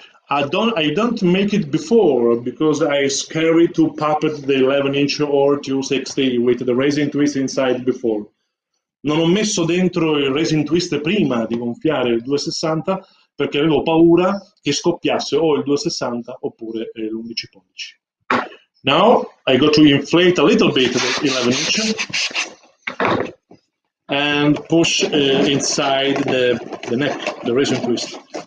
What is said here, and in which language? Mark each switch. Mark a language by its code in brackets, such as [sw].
[en] I don't make it before because I scary to puppet the 11-inch or 260 with the resin twist inside before. [it] Non ho messo dentro il resin twist prima di gonfiare il 260 perché avevo paura che scoppiasse o il 260 oppure l'11 pollici. [en] Now I go to inflate a little bit the 11-inch and push inside the neck, the resin twist.